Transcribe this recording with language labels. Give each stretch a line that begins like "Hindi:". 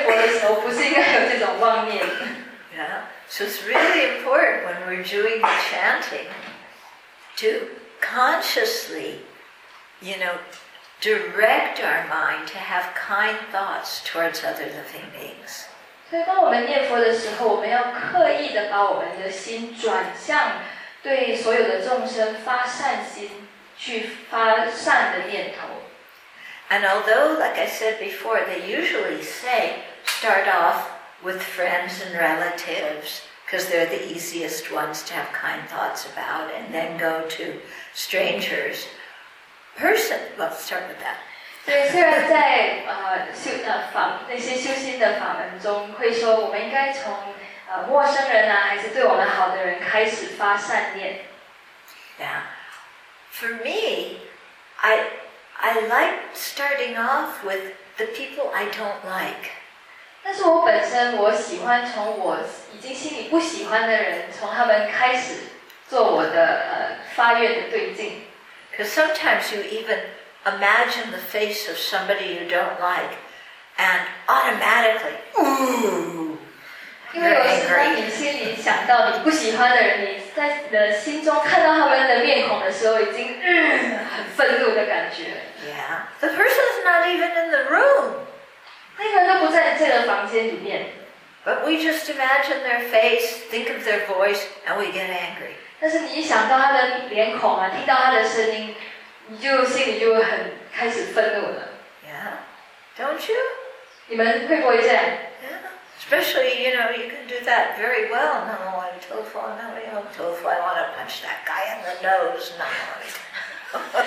English: Yeah, so it's really important when we're doing the chanting to consciously, you know, direct our mind to have kind thoughts towards other living beings.
Chinese: 所以当我们念佛的时候，我们要刻意的把我们的心转向对所有的众生发善心，去发善的念头。
English: And although, like I said before, they usually say, start off with friends and relatives, because they're the easiest ones to have kind thoughts about, and then go to strangers. Person, well, start with that.
Chinese: 对，虽然在修的法那些修心的法门中，会说我们应该从陌生人啊，还是对我们好的人开始发善念。
English: Yeah, for me, I like starting off with the people I don't like.
Chinese: 但是我本身我喜欢从我已经心里不喜欢的人，从他们开始做我的发愿的对境。
English: Because sometimes you even imagine the face of somebody you don't like, and automatically, ooh, you're angry.
Chinese: 因为有时候你心里想到你不喜欢的人，你在你的心中看到他们的面孔的时候，已经很愤怒的感觉。
English: The person's not even in the room.
Chinese: 那个都不在这个房间里面。
English: But we just imagine their face, think of their voice, and we get angry.
Chinese: 但是你一想到他的脸孔啊，听到他的声音，你就心里就很开始愤怒了。
English: Yeah, don't you?
Chinese: 你们会不会这样？
English: Yeah, especially you know you can do that very well. No, I'm a telephone. No, I'm a telephone. I want to punch that guy in the nose. No.